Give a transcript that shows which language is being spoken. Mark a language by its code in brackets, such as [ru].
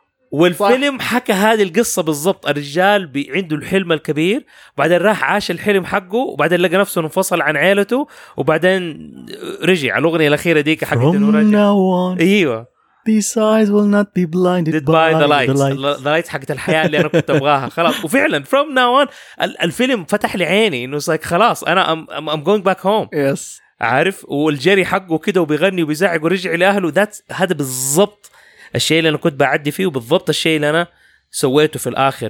[ar] والفيلم حكى هذه القصة بالضبط، الرجال عنده الحلم الكبير، بعدين راح عاش الحلم حقه، وبعدين لقى نفسه انفصل عن عيلته، وبعدين رجع على الأغنية الأخيرة ديك حقه انه رجع. ايوه [en] these eyes will not be blinded by the light. The light [ar] حقت الحياة اللي أنا كنت أبغاها خلاص. وفعلا [en] from now on [ar] الفيلم فتح لي عيني انه like خلاص أنا [en] I'm going back home. yes. [ar] عارف، والجري حقه كده وبيغني وبيزعق ورجع لأهله. هذا بالضبط الشيء اللي أنا كنت بعدي فيه، وبالضبط الشيء اللي أنا سويته في الآخر.